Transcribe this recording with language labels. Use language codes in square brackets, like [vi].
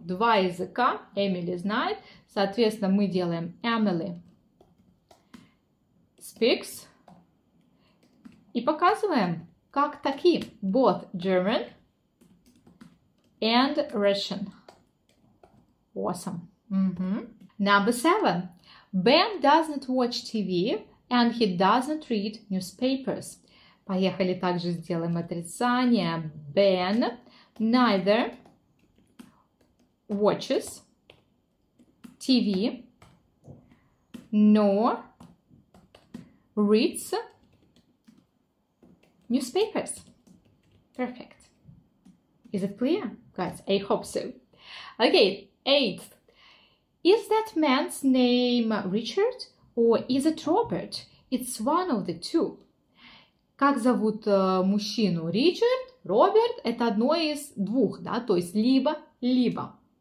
[ru] Два языка Emily знает. Соответственно, мы делаем [en] Emily speaks [ru] и показываем, как таки [en] both German and Russian. Awesome. Number seven. Ben doesn't watch TV and he doesn't read newspapers. [ru] Поехали, также сделаем отрицание. [en] Ben neither watches TV nor reads newspapers. Perfect. Is it clear, guys? I hope so. Okay, eighth. Is that man's name Richard or is it Robert? It's one of the two. [ru] Как зовут мужчину? Ричард, Роберт, это одно из двух, да, то есть либо-либо.